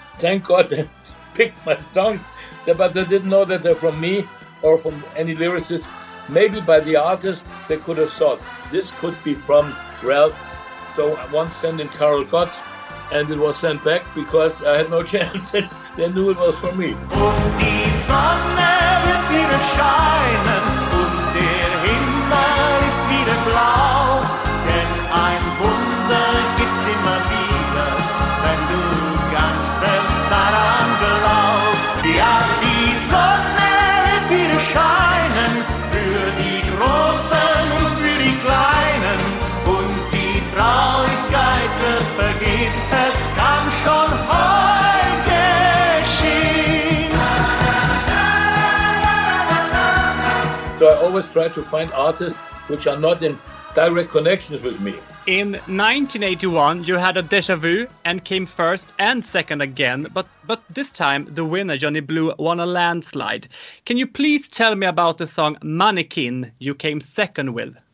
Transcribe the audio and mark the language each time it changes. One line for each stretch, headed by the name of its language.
English: Thank God they picked my songs. But they didn't know that they're from me or from any lyricist. Maybe by the artist, they could have thought this could be from Ralph. So I once sent in Carol Gott, and it was sent back because I had no chance. They knew it was from me.
German: Und die Sonne wird wieder scheinen, und der Himmel ist wieder blau. Denn ein Wunder gibt's immer wieder, wenn du ganz fest daran glaubst. Ja, die Sonne wird wieder scheinen, für die Großen und für die Kleinen. Und die Traurigkeit wird vergehen, es kann schon heute geschehen.
English: So I always try to find artists which are not in direct connection with me. In 1981, you had a déjà vu and came first and second again, but this time the winner, Johnny Blue, won a landslide. Can you please tell me about the song Mannequin you came second with?